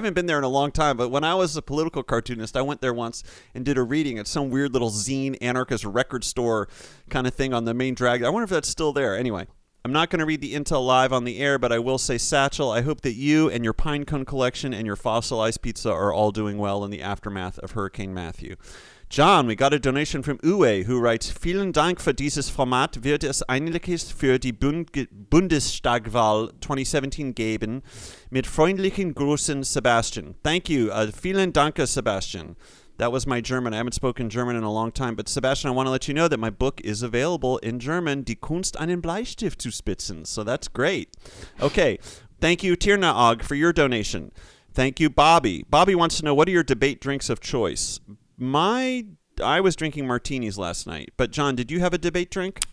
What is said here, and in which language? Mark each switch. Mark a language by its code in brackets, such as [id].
[en] I haven't been there in a long time, but when I was a political cartoonist, I went there once and did a reading at some weird little zine anarchist record store kind of thing on the main drag. I wonder if that's still there. Anyway, I'm not going to read the intel live on the air, but I will say, Satchel, I hope that you and your pinecone collection and your fossilized pizza are all doing well in the aftermath of Hurricane Matthew. John, we got a donation from Uwe, who writes, [de] Vielen Dank für dieses Format wird es einiges für die Bundestagwahl 2017 geben. Mit freundlichen Grüßen, Sebastian. [en] Thank you. [de] Vielen Dank, Sebastian. [en] That was my German. I haven't spoken German in a long time, but Sebastian, I want to let you know that my book is available in German, Die Kunst, einen Bleistift zu spitzen. So that's great. Okay. Thank you, Tirna Og, for your donation. Thank you, Bobby. Bobby wants to know, what are your debate drinks of choice? I was drinking martinis last night, but John, did you have a debate drink?